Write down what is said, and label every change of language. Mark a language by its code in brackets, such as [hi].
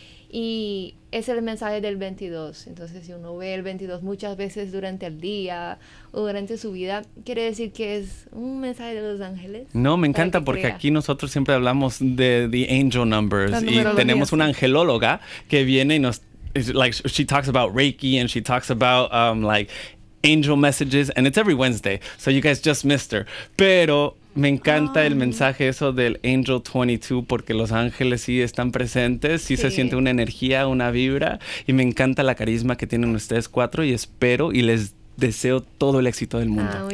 [es] Y es el mensaje del 22. Entonces, si uno ve el 22 muchas veces durante el día o durante su vida, quiere decir que es un mensaje de los ángeles. No, me encanta porque crea. Aquí nosotros siempre hablamos de [en] the angel numbers. [es] Y tenemos una angelóloga que viene y nos... [en] Like, she talks about Reiki and she talks about, like, angel messages. And it's every Wednesday. So you guys just missed her. [es] Pero... Me encanta el mensaje eso del Angel 22 porque los ángeles sí están presentes, sí, sí se siente una energía, una vibra y me encanta la carisma que tienen ustedes cuatro y espero y les deseo todo el éxito del mundo.